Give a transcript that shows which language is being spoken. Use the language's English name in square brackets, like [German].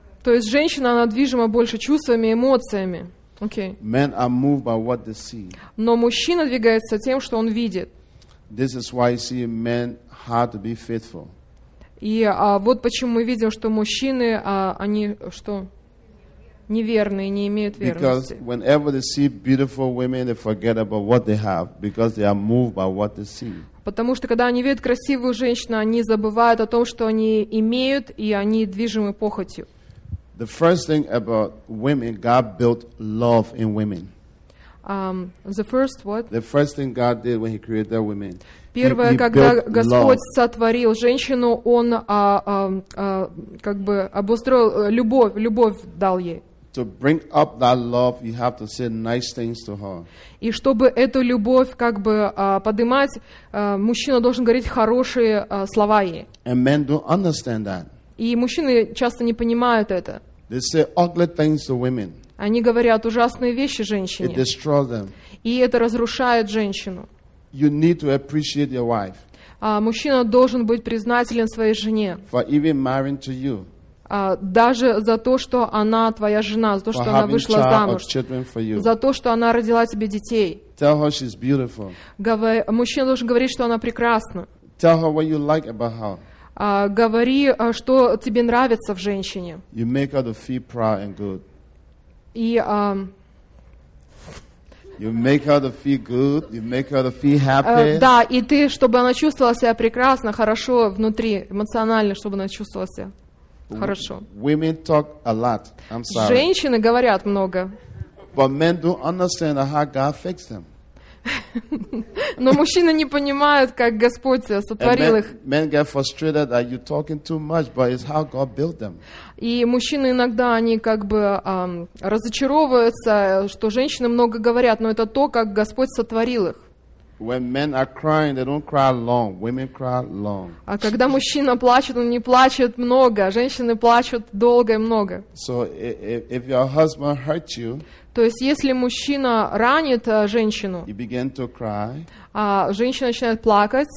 [Russian] То есть женщина, она движима больше чувствами, эмоциями. Окей. [English] Okay. Men are moved by what they see. [Russian] Но мужчина двигается тем, что он видит. [English] This is why you see men hard to be faithful. [Russian] И вот почему мы видим, что мужчины, они что? Неверные, не имеют верности. [English] Because whenever they see beautiful women, they forget about what they have, because they are moved by what they see. [Russian] Потому что, когда они видят красивую женщину, они забывают о том, что они имеют, и они движимы похотью. [English] The first thing about women, God built love in women. The first what? The first thing God did when he created women. [Russian] Первое, когда Господь сотворил женщину, Он как бы обустроил любовь дал ей. [English] to bring up that love, you have to say nice things to her. [Russian] И чтобы эту любовь как бы поднимать, мужчина должен говорить хорошие слова ей. [English] And men don't understand that. [Russian] И мужчины часто не понимают это. [English] They say ugly things to women. [Russian] Они говорят ужасные вещи женщине. [English] It destroys them. [Russian] И это разрушает женщину. [English] You need to appreciate your wife. [Russian] Мужчина должен быть признателен своей жене. [English] For even marrying to you. [Russian] Даже за то, что она твоя жена, за то, что она вышла замуж, за то, что она родила тебе детей. [English] Tell her she's beautiful. [Russian] Мужчина должен говорить, что она прекрасна. [English] Tell her what you like about her. [Russian] Говори, что тебе нравится в женщине. [English] You make her to feel proud and good. [Russian] И, [English] you make her to feel good, you make her to feel happy. [Russian] Да, и ты, чтобы она чувствовала себя прекрасно, хорошо внутри, эмоционально, чтобы она чувствовала себя. Хорошо. [English] Women talk a lot. I'm sorry. [Russian] Женщины говорят много. [English] But men don't understand how God fixed them. [Russian] Но мужчины не понимают, как Господь сотворил их. [English] Men get frustrated that you're talking too much, but it's how God built them. [Russian] И мужчины иногда они как бы разочаровываются, что женщины много говорят, но это то, как Господь сотворил их. [English] When men are crying, they don't cry long. Women cry long. [Russian] А когда мужчина плачет, он не плачет много. Женщины плачут долго и много. [English] So if your husband hurts you, [Russian] то есть если мужчина ранит женщину, [English] you begin to cry, [Russian] а женщина начинает плакать,